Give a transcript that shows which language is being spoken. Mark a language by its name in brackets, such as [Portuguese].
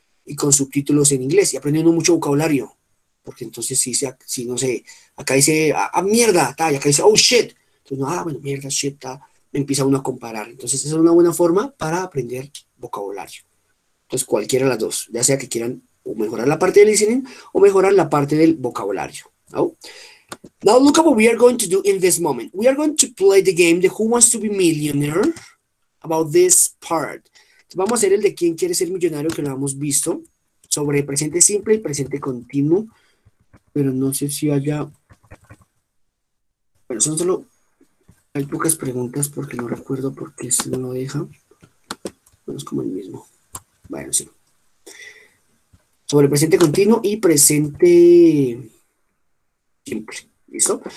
[Spanish] y con subtítulos en inglés y aprendiendo mucho vocabulario. Porque entonces si no sé, acá dice, ah, mierda, ta, y acá dice, [English] oh, shit. [Spanish] Entonces, no, ah, bueno, mierda, shit, ta, empieza uno a comparar. Entonces, esa es una buena forma para aprender vocabulario. Entonces, cualquiera de las dos, ya sea que quieran o mejorar la parte del listening o mejorar la parte del vocabulario. ¿No? [English] Now, look at what we are going to do in this moment. We are going to play the game de Who Wants to Be Millionaire about this part. [Spanish] Entonces, vamos a hacer el de quién quiere ser millonario, que lo hemos visto, sobre presente simple y presente continuo. Pero no sé si haya. Bueno, son solo. Hay pocas preguntas porque no recuerdo por qué se no lo deja. Bueno, es como el mismo. Bueno, sí. Sobre presente continuo y presente simple. ¿Listo?